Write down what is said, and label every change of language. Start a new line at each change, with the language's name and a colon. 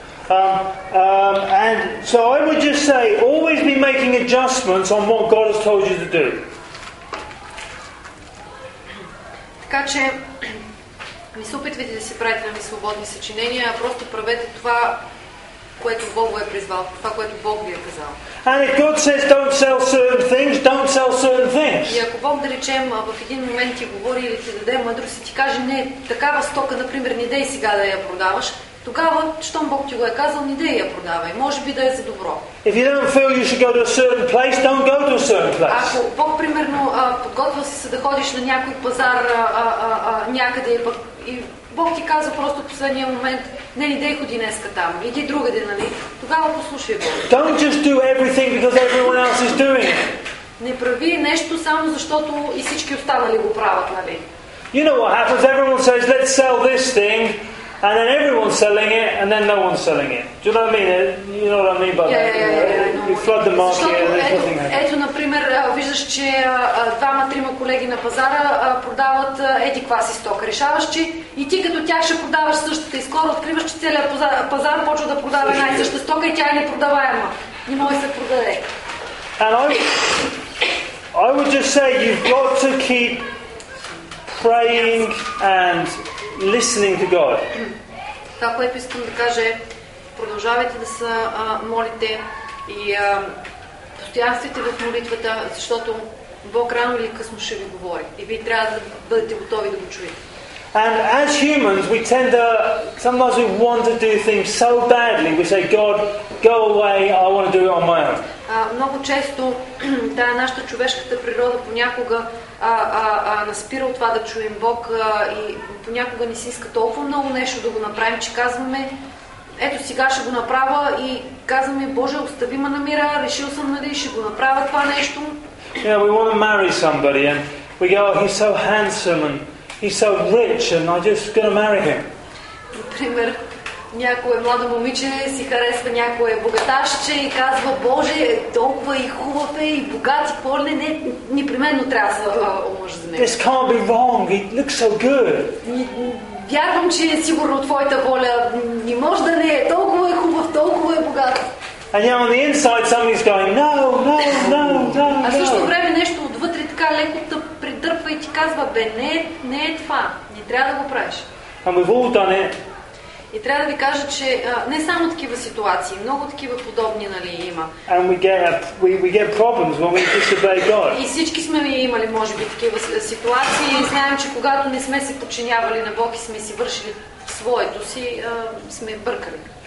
English: And so I would just say, always be making adjustments on what God has told you to do.
Bulgarian: Така че не се опитвайте да си правите нови свободни съчинения, а просто правете това, което Бог ви е призвал, това, което Бог ви е казал.
English: And if God says don't sell certain things, don't sell certain things.
Bulgarian: И ако Бог, да речем, в един момент ти говори или ти даде мъдрост и ти каже, не, такава стока, например, не дей сега да я продаваш, тогава, щом Бог ти го е казал, не дей я продавай, може би да е за добро.
English: If you don't feel you should go to a certain place, don't go to a certain place.
Bulgarian: Ако Бог, примерно, подготвил си се да ходиш на някой пазар някъде и пък... Бог ти казва просто в последния момент, не ли дей ходи днеска там, иди друга ден, нали? Тогава послушай Бог.
English: Don't just do everything because everyone else is doing it.
Bulgarian: Не прави нещо само защото и всички останали го правят, нали?
English: You know what happens, everyone says, let's sell this thing, and then everyone's selling it, and then no one's selling it. Do you know what I mean? You know what I mean by that? Yeah. You flood the market, and there's nothing happening.
Bulgarian: Ето, например, виждаш, че двама-трима колеги на пазара продават еди кваси стока. Решаваш, че и ти като тях ще продаваш същата. И скоро откриваш, че целият пазар почва да продава една и съща стока и тя е непродаваема. Не може да се продаде.
English: And I, I would just say you've got to keep praying and listening to God.
Bulgarian: Това, което искам да кажа, продължавайте да се молите и постоянствайте в молитвата, защото Бог рано или късно ще ви говори и вие трябва да бъдете готови да го чуете.
English: And as humans, we tend to, sometimes we want to do things so badly, we say, God, go away, I want to do it on my own.
Bulgarian: Много често, да, нашата човешката природа понякога наспира от това да чуем Бог и понякога не си иска толкова много нещо да го направим, че казваме, ето сега ще го направя и казваме, Боже, остави ме на мира, решил съм, нали, ще го направя това нещо.
English: Yeah, we want to marry somebody and we go, oh, he's so handsome and he's so rich and I'm just going to marry him.
Bulgarian: Например, някое младо момиче си харесва някое богаташче и казва, Боже, толкова и хубав е и богат и порне, не, непременно трябва да омъжа за него.
English: This can't be wrong, it looks so good.
Bulgarian: Вярвам, че е сигурно твоята воля, не може да не е, толкова е хубав, толкова е богат.
English: And yet on the inside somebody's going, no, no, no, no, no.
Bulgarian: А също време нещо отвътре така леко те придърпва и ти казва, бе, не, не е това, не трябва да го правиш.
English: And we've all done it.
Bulgarian: И трябва да ви кажа, че не само такива ситуации, много такива подобни, нали, има.
English: And we get problems when we disobey God.
Bulgarian: И всички сме имали, може би, такива ситуации и знаем, че когато не сме се подчинявали на Бог и сме си вършили своето си, сме бъркали.